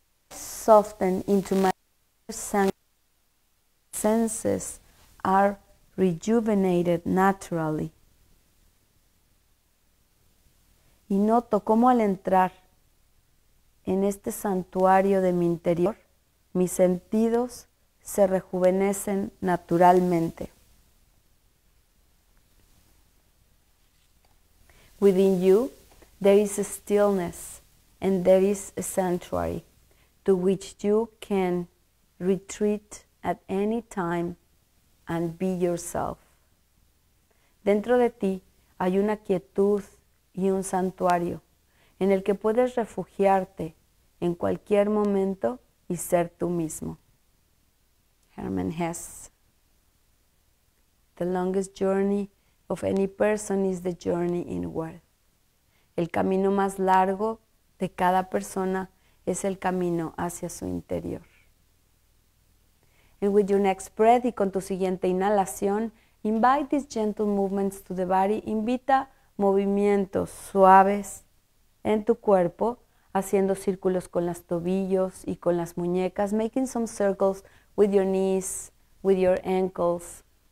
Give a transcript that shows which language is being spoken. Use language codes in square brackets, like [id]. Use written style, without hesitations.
[en] Soften into my senses are rejuvenated naturally. [es] y noto cómo al entrar en este santuario de mi interior, mis sentidos se rejuvenecen naturalmente. [en] Within you, there is a stillness and there is a sanctuary to which you can retreat at any time and be yourself. [es] Dentro de ti hay una quietud y un santuario en el que puedes refugiarte en cualquier momento y ser tú mismo. [en] Hermann Hesse. The longest journey of any person is the journey inward. [es] El camino más largo de cada persona es el camino hacia su interior. [en] And with your next breath [es] y con tu siguiente inhalación, [en] invite these gentle movements to the body. [es] Invita movimientos suaves en tu cuerpo, haciendo círculos con los tobillos y con las muñecas, [en] making some circles with your knees, with your ankles.